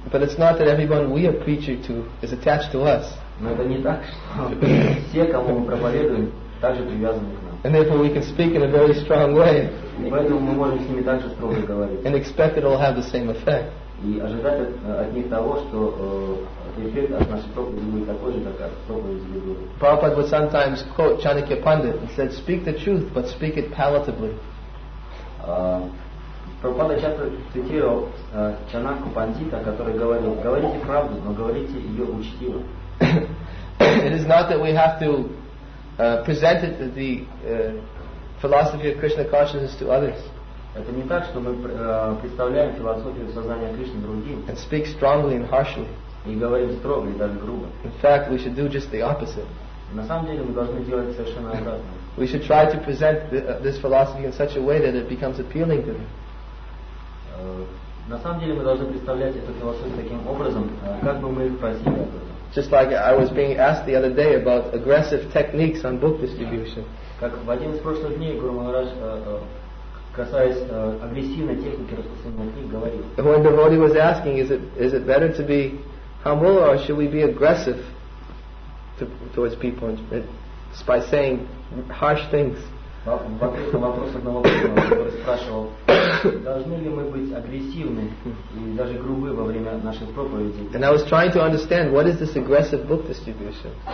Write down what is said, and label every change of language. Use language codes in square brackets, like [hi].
[en] But it's not that everyone we are preaching to is attached to us. [ru] Но это не так, что все, кому мы проповедуем, также привязаны к нам. [en] And therefore we can speak in a very strong way. [ru] И поэтому мы можем с ними также строго говорить. [en] And expect it will have the same effect. [ru] И ожидать от них того, что эффект от нашей проповеди будет такой же, как от проповеди Vidura. [en] Prabhupada would sometimes quote Chanakya Pandit and said, "Speak the truth, but speak it palatably." [ru] Прабхупада часто цитировал Чанаку Пандита, который говорил: говорите правду, но говорите ее учтиво. [en] It is not that we have to present the philosophy of Krishna consciousness to others. [ru] Это не так, что мы представляем философию сознания Кришны другим. [en] And speak strongly and harshly. [ru] И говорим строго или даже грубо. [en] In fact, we should do just the opposite. [ru] На самом деле мы должны делать совершенно обратное. [en] We should try to present this philosophy in such a way that it becomes appealing to them. [ru] На самом деле мы должны представлять эту философию таким образом, как бы мы их просили об этом. [en] Just like I was being asked the other day about aggressive techniques on book distribution. [ru] Как в один из прошлых дней Гуру Махарадж, касаясь агрессивной техники распространения книг, говорил. [en] When the devotee was asking, is it better to be humble or should we be aggressive towards people by saying harsh things? [ru] Вопрос одного парня, который спрашивал, должны ли мы быть агрессивны и даже грубы во время наших проповедей? [en] And I was trying to understand what is this aggressive book distribution.